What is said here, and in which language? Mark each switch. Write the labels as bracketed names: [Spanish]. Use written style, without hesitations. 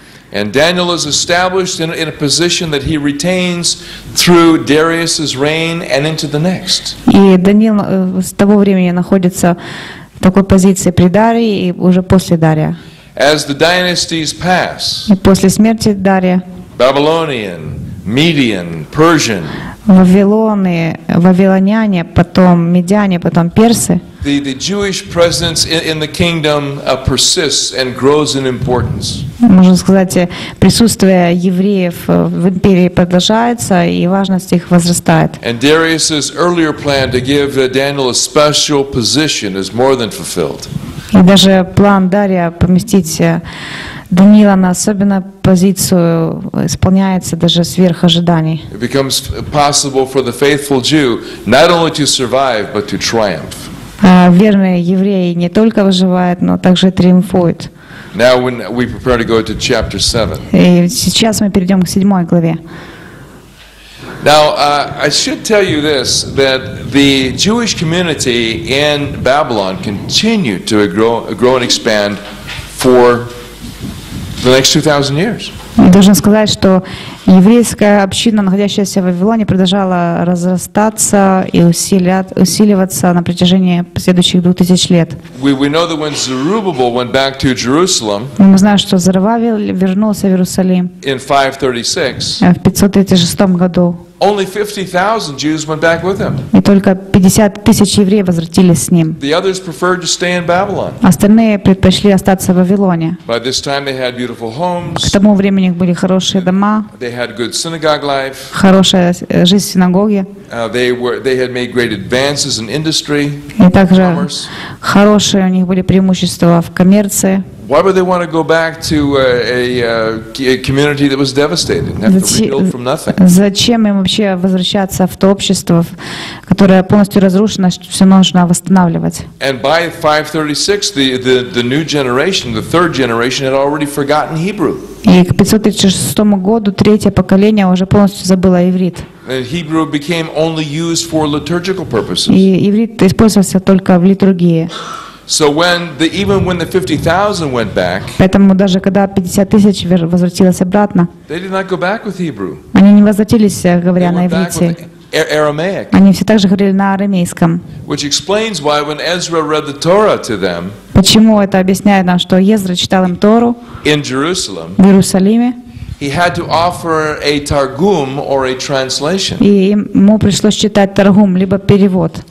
[English] And Daniel is established in a position that he retains through Darius's reign and into the next. [Russian] И Даниил с того времени находится в такой позиции при Дарии и уже после Дария. [English] As the dynasties pass. [Russian] И после смерти Дария. [English] Babylonian, Median, Persian. [Russian] Вавилоняне, потом Медяне, потом Персы. [English] The Jewish presence in the kingdom persists and grows in importance. [Russian] Можно сказать, присутствие евреев в империи продолжается, и важность их возрастает. [English] And Darius's earlier plan to give Daniel a special position is more than fulfilled. [Russian] И даже план Дария поместить Даниила на особенную позицию исполняется даже сверх ожиданий. [English] It becomes possible for the faithful Jew not only to survive, but to triumph. [Russian] Верные евреи не только выживают, но также триумфуют. [English] Now when we prepare to go to chapter 7. [Russian] И сейчас мы перейдем к седьмой главе. [English] Now I should tell you this, that the Jewish community in Babylon continued to grow and expand for the next 2,000 years. [Russian] Должен сказать, что еврейская община, находящаяся в Вавилоне, продолжала разрастаться и усиливаться на протяжении следующих 2000 лет. [English] We know that when Zerubbabel went back to Jerusalem, [Russian] мы знаем, что Зарававил вернулся в Иерусалим [English] in 536, [Russian] в 536 году. [English] Only 50,000 Jews went back with him. [Russian] И только 50,000 евреев возвратились с ним. [English] The others preferred to stay in Babylon. [Russian] Остальные предпочли остаться в Вавилоне. [English] By this time they had beautiful homes. [Russian] К тому времени у них были хорошие дома. [English] They had good synagogue life. [Russian] Хорошая жизнь в синагоге. [English] They had made great advances in industry. [Russian] И также хорошие у них были преимущества в коммерции. [English] Why would they want to go back to a community that was devastated and have to rebuild from nothing? [Russian] Зачем им вообще возвращаться в то общество, которое полностью разрушено, что все нужно восстанавливать? [English] And by 536, the new generation, the third generation, had already forgotten Hebrew. [Russian] И к 536 году третье поколение уже полностью забыло иврит. [English] And Hebrew became only used for liturgical purposes. [Russian] И иврит использовался только в литургии. [English] So even when the 50,000 went back, [Russian] поэтому даже когда 50,000 возвратилось обратно, [English] they did not go back with Hebrew. [Russian] Они не возвратились, говоря на иврите. [English] Aramaic. [Russian] Они все так же говорили на арамейском. [English] Which explains why when Ezra read the Torah to them. [Russian] Почему это объясняет нам, что Езра читал им Тору [English] in Jerusalem, [Russian] в Иерусалиме. [English] He had to offer a targum or a translation. [Russian] И ему пришлось читать таргум либо перевод.